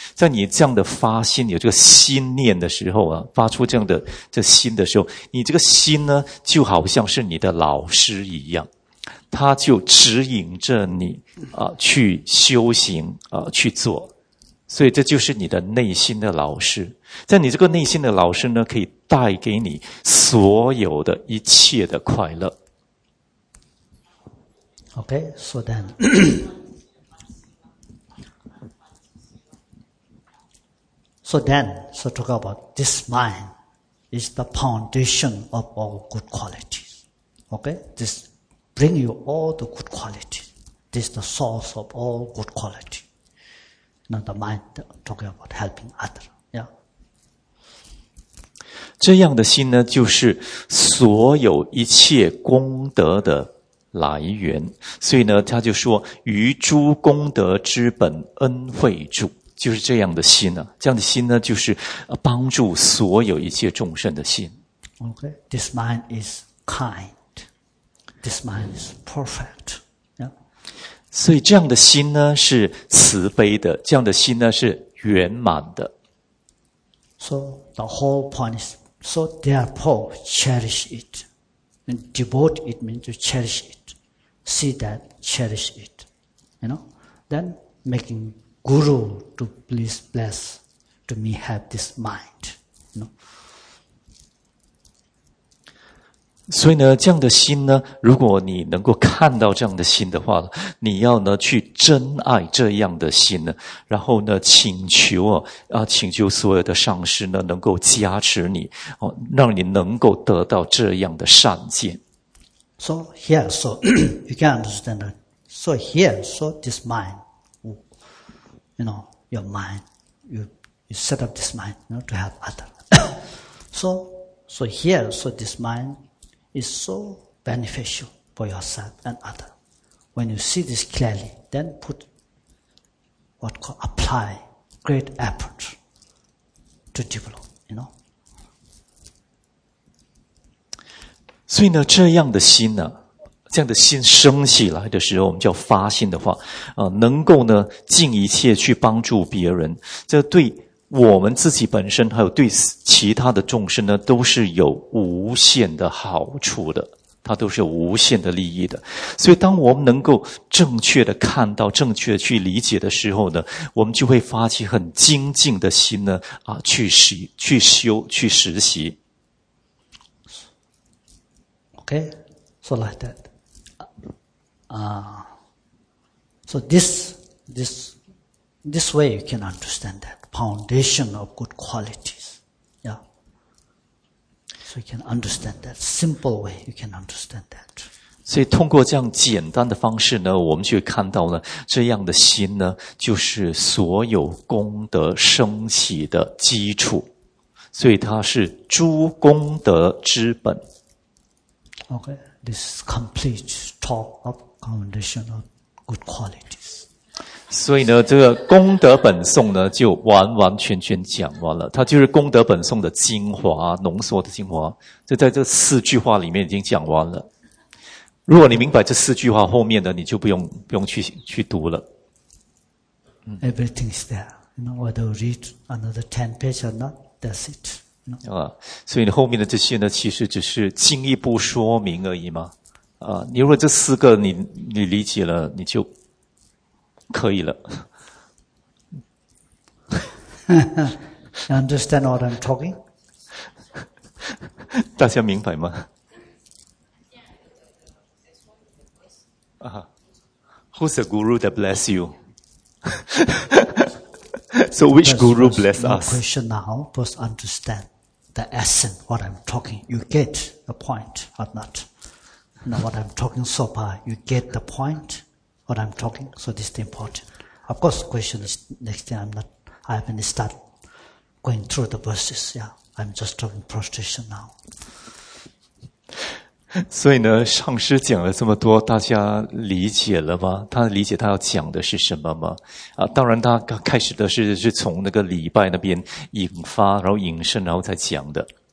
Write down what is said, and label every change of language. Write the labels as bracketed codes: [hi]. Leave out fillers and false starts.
[zh] 在你这样的发心，有这个心念的时候啊，发出这样的这心的时候，你这个心呢就好像是你的老师一样，他就指引着你啊去修行啊去做。所以这就是你的内心的老师。在你这个内心的老师呢，可以带给你所有的一切的快乐。 [en] OK， [zh] 说的 [en] So then, so talk about this mind is the foundation of all good qualities. Okay? This bring you all the good qualities. This is the source of all good qualities. Now the mind talking about helping others. Yeah. [zh] 这样的心呢，就是所有一切功德的来源。所以呢，他就说，于诸功德之本恩惠主。就是这样的心啊，这样的心呢，就是帮助所有一切众生的心。 [en] Okay, this mind is kind. This mind is perfect. Yeah. [zh] 所以这样的心呢是慈悲的，这样的心呢是圆满的。 [en] So the whole point is, so therefore cherish it, and devote it means to cherish it, see that, cherish it, you know, then making. Guru, to please bless, to me have this mind. No. [zh] 所以呢，这样的心呢，如果你能够看到这样的心的话，你要呢去珍爱这样的心呢，然后呢请求啊，请求所有的上师呢能够加持你，哦，让你能够得到这样的善见。 [en] So here, so you can understand that. So here, so this mind. You know, your mind, you set up this mind, you know, to help others. so here, so this mind is so beneficial for yourself and others. When you see this clearly, then put what called apply great effort to develop, you know. [zh] 所以呢，这样的心呢，这样的心升起来的时候，我们叫发心的话，能够呢尽一切去帮助别人，这对我们自己本身还有对其他的众生呢都是有无限的好处的，它都是有无限的利益的。所以当我们能够正确的看到，正确的去理解的时候呢，我们就会发起很精进的心呢啊去修去实习。 [en] OK, so like thatSo this way you can understand that foundation of good qualities. Yeah. So you can understand that simple way you can understand that. [zh] 所以通过这样简单的方式呢，我们就看到呢，这样的心呢，就是所有功德升起的基础。所以它是诸功德之本。 [en] Okay. This is complete talk of foundation of good qualities. [zh] 所以呢，这个功德本颂呢，就完完全全讲完了。它就是功德本颂的精华，浓缩的精华，就在这四句话里面已经讲完了。如果你明白这四句话后面的，你就不用去读了。 [en] Everything is there. You know, whether you read another 10 pages or not, that's it. [zh] 啊，所以后面的这些呢，其实只是进一步说明而已嘛。啊，你如果这四个你理解了，你就可以了。 [en] You understand what I'm talking? [zh] 大家明白吗？ [en] Who's the guru that bless you? So which guru bless us? No question now, first understand. the essence, what I'm talking. You get the point or not? Now what I'm talking so far, you get the point, what I'm talking, so this is important. Of course, the question is, next thing I haven't started going through the verses, yeah. I'm just talking prostration now. [zh] 所以呢，上师讲了这么多，大家理解了吗？他理解他要讲的是什么吗？啊，当然，他开始的是从那个礼拜那边引发，然后引申，然后再讲的。